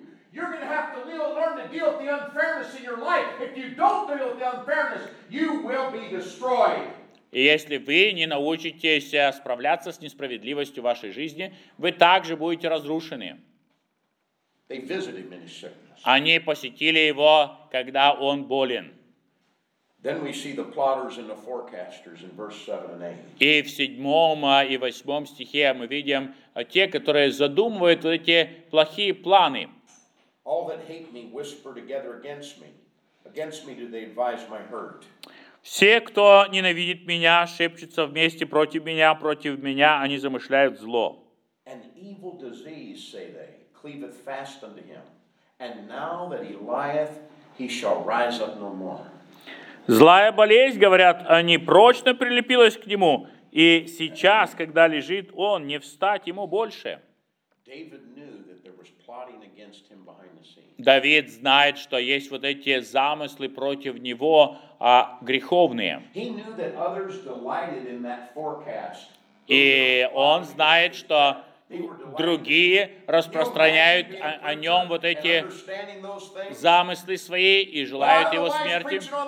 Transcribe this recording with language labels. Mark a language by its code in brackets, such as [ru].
[en] You're going to have to learn to deal with the unfairness in your life. If you don't deal with the unfairness, you will be destroyed. [ru] И если вы не научитесь справляться с несправедливостью в вашей жизни, вы также будете разрушены. [en] They visited him in his sickness. [ru] Они посетили его, когда он болен. [en] Then we see the plotters and the forecasters in verse 7 and 8. [ru] И в 7 и 8 стихе мы видим те, которые задумывают вот эти плохие планы. [en] All that hate me whisper together against me. Against me do they advise my hurt. [ru] Все, кто ненавидит меня, шепчутся вместе против меня они замышляют зло. [en] An evil disease, say they, cleaveth fast unto him. And now that he lieth, he shall rise up no more. [ru] Злая болезнь, говорят они, прочно прилепилась к нему, и сейчас, когда лежит он, не встать ему больше. [en] David knew that there was plotting against him behind the scenes. [ru] Давид знает, что есть вот эти замыслы против него, греховные. [en] He knew that others delighted in that forecast. [ru] И он знает, что другие распространяют о нем вот эти замыслы свои и желают его смерти.